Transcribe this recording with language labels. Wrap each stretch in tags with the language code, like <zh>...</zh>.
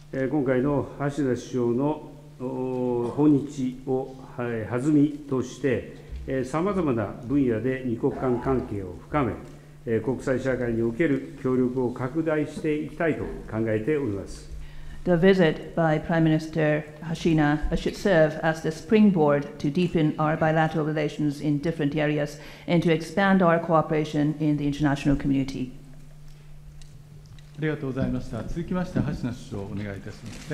<ja>今回の橋田首相の訪日を弾みとして、さまざまな分野で二国間関係を深め、国際社会における協力を拡大していきたいと考えております。</ja> <en>The visit by Prime Minister Hashina should serve as the springboard to deepen our bilateral relations in different areas and to expand our cooperation in the international community.</en> <ja>ありがとうございました。続きまして橋名首相お願いいたします。</ja>